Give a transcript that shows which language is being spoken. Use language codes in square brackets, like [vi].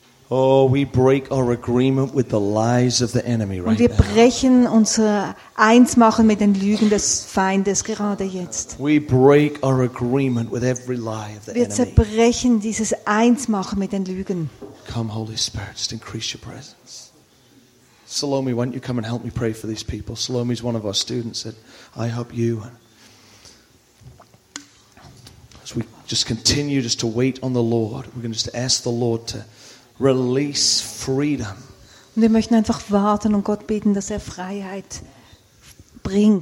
[en] Oh, we break our agreement with the lies of the enemy right now. [de] Und wir brechen unser Einsmachen mit den Lügen des Feindes gerade jetzt. [en] We break our agreement with every lie of the enemy. [de] Wir zerbrechen dieses Einsmachen mit den Lügen. [en] Come, Holy Spirit, just increase your presence. Salome, why don't you come and help me pray for these people? Salome's one of our students at IHOPU. As we just continue just to wait on the Lord, we're going to just ask the Lord to release freedom. [de] Und wir möchten einfach warten und Gott bitten, dass er Freiheit bringt.